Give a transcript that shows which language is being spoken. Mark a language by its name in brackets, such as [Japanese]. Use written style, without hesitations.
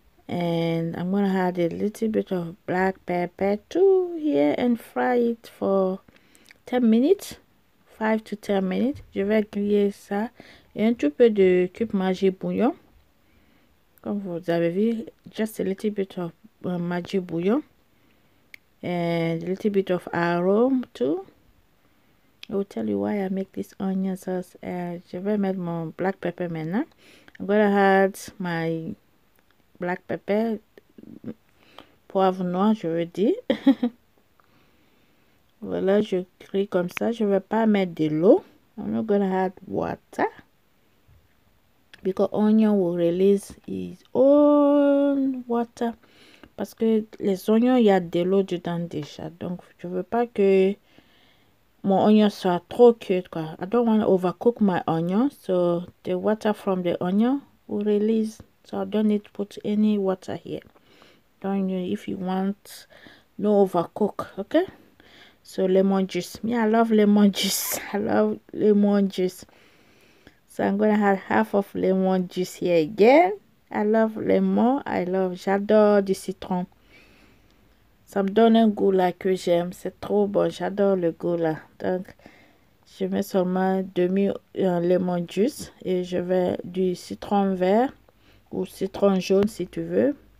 [English] And I'm gonna add a little bit of black pepper too here and fry it for 10 minutes, 5 to 10 minutes. [French] Je vais griller ça et un tout peu de cube magie bouillon. Comme vous avez vu, [English] just a little bit of magic bouillon and a little bit of arôme too. I will tell you why I make this onion sauce. [French] Je vais mettre mon black pepper maintenant. [English] I'm gonna add my black pepper, [French] poivre noir, je veux dire. Voilà, je crie comme ça. Je vais pas mettre de l'eau. [English] I'm not gonna add water. Because onion will release its own water. [French] Parce que les oignons, il y a de l'eau dedans déjà. Donc, je veux pas que mon oignon soit trop cuit, quoi. [English] I don't want to overcook my onion. So, the water from the onion will release. So, I don't need to put any water here. Don't you, if you want no overcook, okay? So, lemon juice. Me, I love lemon juice. I love lemon juice. So I'm gonna have half of lemon juice here again. I love lemon. [French] J'adore du citron. Ça me donne un goût là que j'aime. C'est trop bon. J'adore le goût là. Donc, je mets seulement demi lemon juice et je vais du citron vert ou citron jaune si tu veux.